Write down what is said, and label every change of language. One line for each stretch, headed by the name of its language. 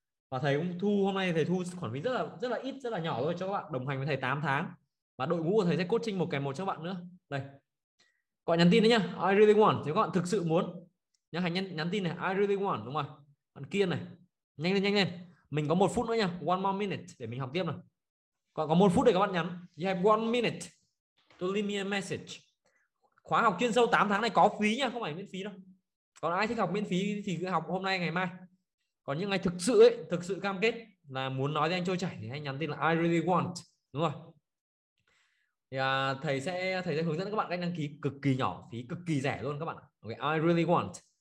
Vietnamese: Và thầy cũng thu, hôm nay thầy thu khoản phí rất là ít, rất là nhỏ thôi cho các bạn đồng hành với thầy 8 tháng. Và đội ngũ của thầy sẽ coaching một kèm một cho các bạn nữa. Đây. Các bạn nhắn tin đấy nhá.
English: I really want.
Vietnamese: Nếu các bạn thực sự muốn. Nhắn tin này,
English: I really want,
Vietnamese: đúng không ạ? Bạn kia này. Nhanh lên, nhanh lên. Mình có 1 phút nữa nha.
English: One more minute
Vietnamese: để mình học tiếp nào. Còn có 1 phút để các bạn nhắn.
English: You have 1 minute to leave me a message.
Vietnamese: Khóa học chuyên sâu 8 tháng này có phí nha, không phải miễn phí đâu. Còn ai thích học miễn phí thì cứ học hôm nay ngày mai. Còn những ai thực sự cam kết là muốn nói với anh trôi chảy thì hãy nhắn tin là
English: I really want,
Vietnamese: đúng rồi. Thì thầy sẽ hướng dẫn các bạn cách đăng ký cực kỳ nhỏ, phí cực kỳ rẻ luôn các bạn. Okay,
English: I really want.